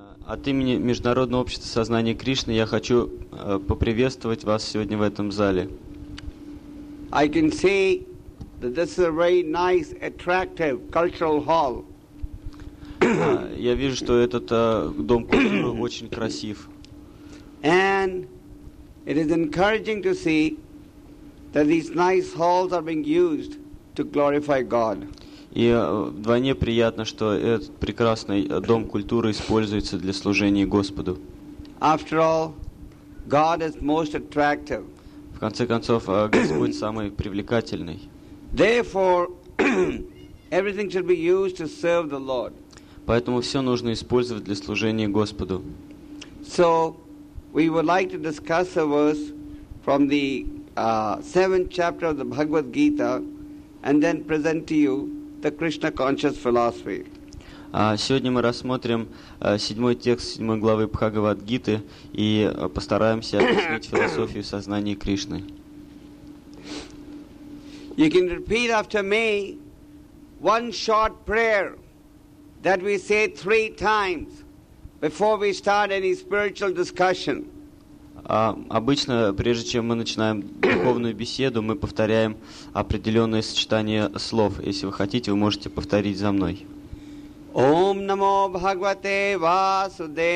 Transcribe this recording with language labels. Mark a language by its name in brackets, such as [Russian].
[Russian] От имени Международного общества сознания Кришны я хочу поприветствовать вас сегодня в этом зале. [English] I can say that this is a very nice, attractive cultural hall. [Russian] Я вижу, что этот дом культуры очень красив. [English] And it is encouraging to see that these nice halls are being used to glorify God. [Russian] И вдвойне приятно, что этот прекрасный дом культуры используется для служения Господу. [English] After all, God is most attractive. [Russian] В конце концов, Господь самый привлекательный. [English] Therefore, everything should be used to serve the Lord. [Russian] Поэтому все нужно использовать для служения Господу. [English] So, we would like to discuss a verse from the seventh chapter of the Bhagavad Gita, and then present to you the Krishna conscious philosophy. [Russian] Сегодня мы рассмотрим седьмой текст седьмой главы Бхагавад Гиты и постараемся объяснить философию сознания Кришны. [English] You can repeat after me one short prayer that we say three times before we start any spiritual discussion. [Russian] Обычно, прежде чем мы начинаем духовную беседу, мы повторяем определенное сочетание слов. Если вы хотите, вы можете повторить за мной. [Sanskrit] Ом намо Бхагавате Васудевая.